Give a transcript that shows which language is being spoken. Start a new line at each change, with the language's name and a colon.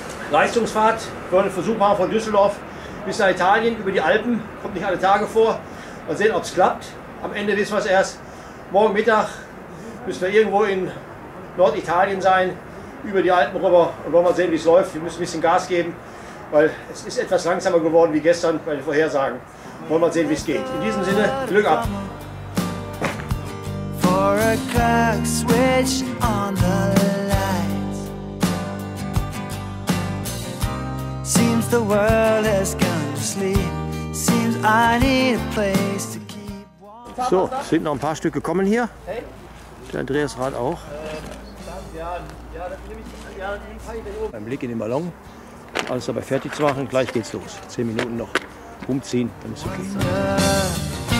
German: Leistungsfahrt für den Versuchbahn von Düsseldorf bis nach Italien über die Alpen. Kommt nicht alle Tage vor. Mal sehen, ob es klappt. Am Ende wissen wir es erst. Morgen Mittag müssen wir irgendwo in Norditalien sein, über die Alpen rüber und wollen mal sehen, wie es läuft. Wir müssen ein bisschen Gas geben, weil es ist etwas langsamer geworden wie gestern bei den Vorhersagen. Wollen wir mal sehen, wie es geht. In diesem Sinne, Glück ab!
English: For a clock switch on the light. Seems the world has gone to sleep. Seems I need a place to keep warm.
German: So, sind noch ein paar Stück gekommen hier. Der Andreas Rad auch. Ein Blick in den Ballon. Alles dabei fertig zu machen. Gleich geht's los. 10 Minuten noch umziehen, dann ist okay.